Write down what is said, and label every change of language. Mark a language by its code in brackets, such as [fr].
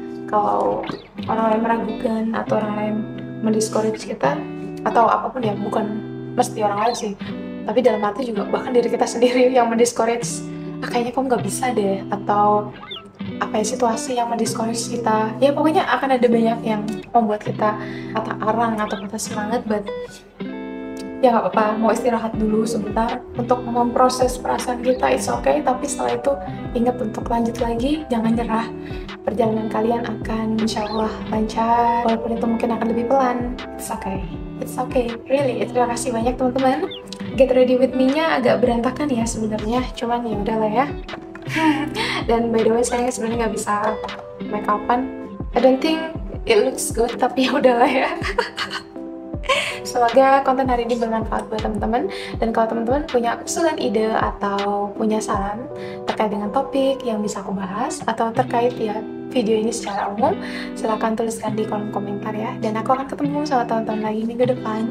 [id] Kalau orang lain meragukan atau orang lain mendiscourage kita atau apapun ya, bukan mesti orang lain sih, tapi dalam hati juga bahkan diri kita sendiri yang mendiscourage, ah, kayaknya kok nggak bisa deh, atau apa ya, situasi yang mendiscourage kita, ya pokoknya akan ada banyak yang membuat kita kata arang atau kata semangat, but ya gak apa-apa, mau istirahat dulu sebentar untuk memproses perasaan kita, [en] it's okay. [id] Tapi setelah itu ingat untuk lanjut lagi, jangan nyerah. Perjalanan kalian akan insya Allah lancar, walaupun itu mungkin akan lebih pelan. [en] It's okay, it's okay, really. [id] Terima kasih banyak teman-teman. Get ready with me-nya agak berantakan ya sebenarnya, cuman ya udah lah ya. Dan by the way, saya sebenarnya gak bisa make up-an. [en] I don't think it looks good, [id] tapi ya udah lah ya. Semoga konten hari ini bermanfaat buat teman-teman. Dan kalau teman-teman punya usulan ide atau punya saran terkait dengan topik yang bisa aku bahas atau terkait ya video ini secara umum, silakan tuliskan di kolom komentar ya. Dan aku akan ketemu sama teman-teman lagi minggu depan.